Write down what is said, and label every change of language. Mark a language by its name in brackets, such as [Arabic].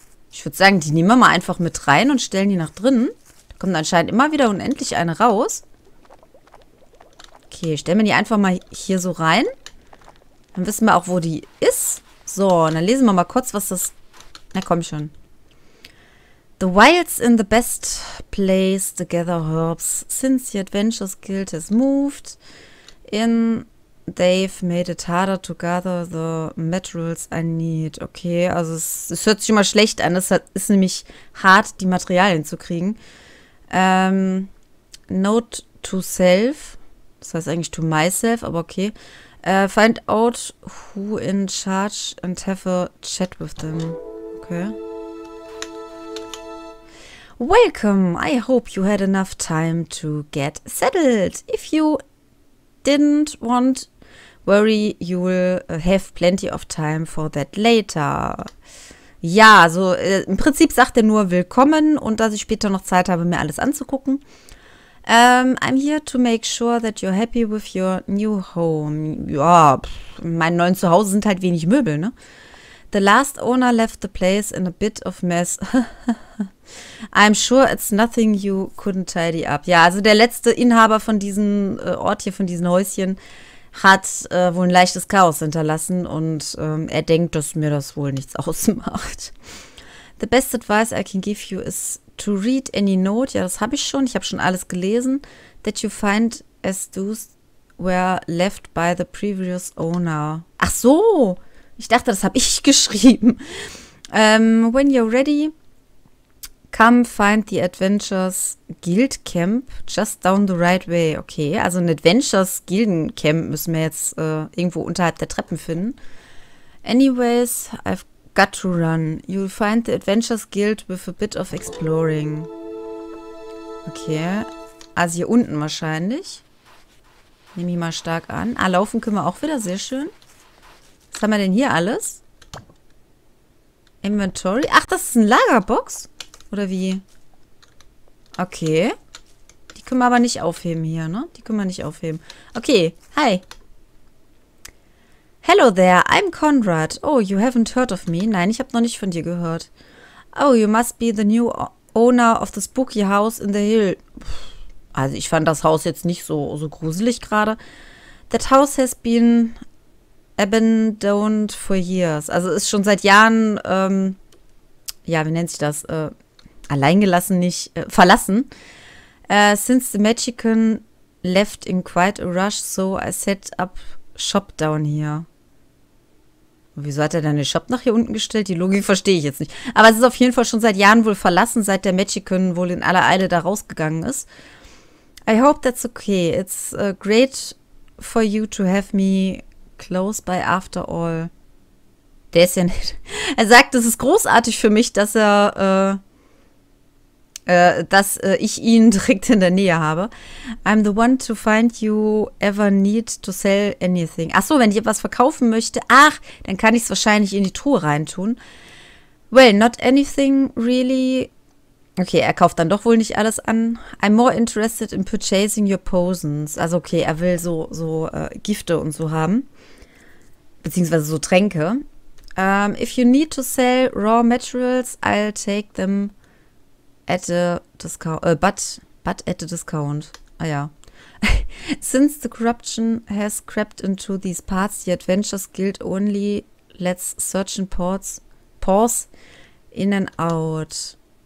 [German] Ich würde sagen, die nehmen wir mal einfach mit rein und stellen die nach drinnen. Da kommt anscheinend immer wieder unendlich eine raus. Okay, stellen wir die einfach mal hier so rein. Dann wissen wir auch, wo die ist. So, und dann lesen wir mal kurz, was das. Na komm schon. [English] The wilds in the best place to gather herbs since the Adventurers Guild has moved in. They've made it harder to gather the materials I need. [German] Okay, also es hört sich immer schlecht an. Es ist nämlich hart, die Materialien zu kriegen. [English] Note to self. [German] Das heißt eigentlich [English] to myself, [German] aber okay. [English] Find out who in charge and have a chat with them. Okay. Welcome. I hope you had enough time to get settled. If you didn't want. Worry, you will have plenty of time for that later. [German] Ja, so im Prinzip sagt er nur willkommen und dass ich später noch Zeit habe, mir alles anzugucken. [English] I'm here to make sure that you're happy with your new home. [German] Ja, mein neues Zuhause sind halt wenig Möbel, ne? [English] The last owner left the place in a bit of mess. I'm sure it's nothing you couldn't tidy up. [German] Ja, also der letzte Inhaber von diesem Ort hier, von diesen Häuschen, hat wohl ein leichtes Chaos hinterlassen und er denkt, dass mir das wohl nichts ausmacht. [English] The best advice I can give you is to read any note. [German] Ja, das habe ich schon. Ich habe schon alles gelesen. [English] That you find as those were left by the previous owner. [German] Ach so! Ich dachte, das habe ich geschrieben. [English] When you're ready, come find the Adventurers Guild Camp just down the right way. [German] Okay, also ein Adventurers Guild Camp müssen wir jetzt irgendwo unterhalb der Treppen finden. [English] Anyways, I've got to run. You'll find the Adventurers Guild with a bit of exploring. [German] Okay, also hier unten wahrscheinlich. Nehme ich mal stark an. Ah, laufen können wir auch wieder, sehr schön. Was haben wir denn hier alles? Inventory. Ach, das ist eine Lagerbox. Oder wie? Okay. Die können wir aber nicht aufheben hier, ne? Die können wir nicht aufheben. Okay. Hi. [English] Hello there. I'm Conrad. Oh, you haven't heard of me. [German] Nein, ich habe noch nicht von dir gehört. [English] Oh, you must be the new owner of the spooky house in the hill. [German] Also, ich fand das Haus jetzt nicht so gruselig gerade. [English] That house has been abandoned for years. [German] Also, ist schon seit Jahren, ja, wie nennt sich das? Alleingelassen, nicht verlassen. [English] Since the Magician left in quite a rush, so I set up shop down here. [German] Und wieso hat er dann den Shop nach hier unten gestellt? Die Logik verstehe ich jetzt nicht. Aber es ist auf jeden Fall schon seit Jahren wohl verlassen, seit der Magician wohl in aller Eile da rausgegangen ist. [English] I hope that's okay. It's great for you to have me close by after all. [German] Der ist ja nicht. Er sagt, es ist großartig für mich, dass er. Dass ich ihn direkt in der Nähe habe. [English] I'm the one to find you ever need to sell anything. [German] Ach so, wenn ich etwas verkaufen möchte, ach, dann kann ich es wahrscheinlich in die Truhe reintun. [English] Well, not anything really. [German] Okay, er kauft dann doch wohl nicht alles an. [English] I'm more interested in purchasing your potions. [German] Also okay, er will so Gifte und so haben. Beziehungsweise so Tränke. [English] If you need to sell raw materials, I'll take them. At a discount, but at a discount. [German] Ah ja. [English] Since the corruption has crept into these parts, the Adventurers Guild only lets certain paws in and out.